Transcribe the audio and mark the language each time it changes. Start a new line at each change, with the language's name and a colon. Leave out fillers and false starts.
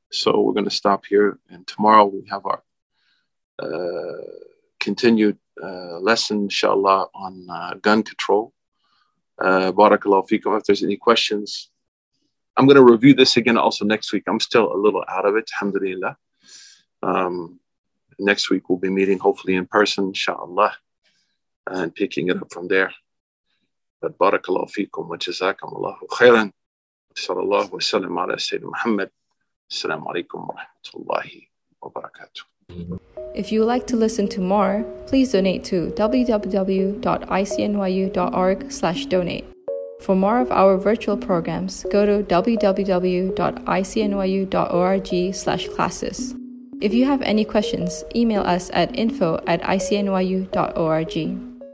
English: So we're going to stop here. And tomorrow we have our continued lesson, inshallah, on gun control. Barakallahu feekum. If there's any questions, I'm going to review this again also next week. I'm still a little out of it, alhamdulillah. Next week we'll be meeting, hopefully in person, inshallah, and picking it up from there.
Arabic: بارك الله فيكم وجزاكم الله خيرا صلى الله وسلم على سيدنا محمد السلام عليكم ورحمة الله وبركاته.
English: If you would like to listen to more, please donate to www.icnyu.org/donate. For more of our virtual programs, go to www.icnyu.org/classes. If you have any questions, email us at info@icnyu.org.